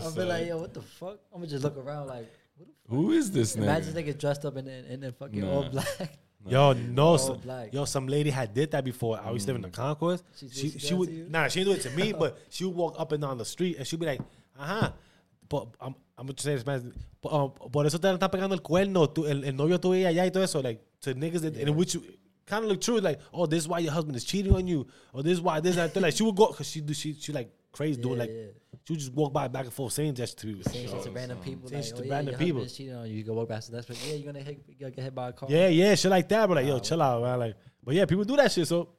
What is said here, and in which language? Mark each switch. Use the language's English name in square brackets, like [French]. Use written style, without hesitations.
[English] I'll be like, yo, what the fuck? I'm going to just look around, like, who is this nigga? Imagine nigga dressed up in fucking all black. Yo, no. Some lady had did that before. I was living in the concourse. She would, she didn't do it to me, but she would walk up and down the street and she'd be like, but I'm going to say this, man. [Spanish] Por eso te están pegando el cuerno, el novio tuyo allá y todo eso. [English] Like, to niggas, that, yeah. In which kind of look true. Like, oh, this is why your husband is cheating on you. Or this is why this and that. Like, she would go, because she like crazy, yeah, doing like, yeah. She would just walk by back and forth saying that to random people. Your husband is cheating on you. You can walk past that. Yeah, you're going to get hit by a car. Yeah, yeah, shit like that. But like, yo, chill out, man. Like, but yeah, people do that shit, so.